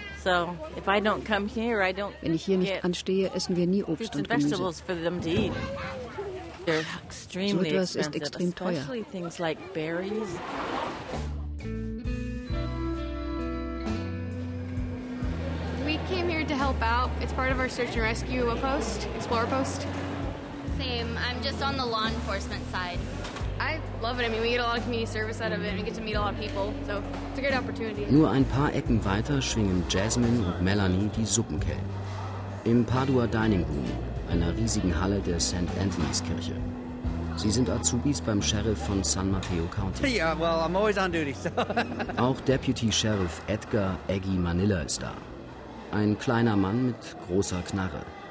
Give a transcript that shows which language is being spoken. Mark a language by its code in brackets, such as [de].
[en] So, if I don't come here, I don't. [de] Wenn ich hier nicht anstehe, essen wir nie Obst und Gemüse. [en] Fruits and vegetables for them to eat. They're extremely expensive. [de] So etwas ist extrem teuer. [en] Especially things like berries. We came here to help out. It's part of our search and rescue post, Explorer post. Same. I'm just on the law enforcement side. I love it. I mean, we get a lot of community service out of it. We get to meet a lot of people. So it's a great opportunity. [de] Nur ein paar Ecken weiter schwingen Jasmine und Melanie die Suppenkellen. Im Padua Dining Room, einer riesigen Halle der St. Anthony's Kirche. Sie sind Azubis beim Sheriff von San Mateo County. [en] Yeah, well, I'm always on duty, so. [de] Auch Deputy Sheriff Edgar Eggy Manila ist da. Ein kleiner Mann mit großer Knarre.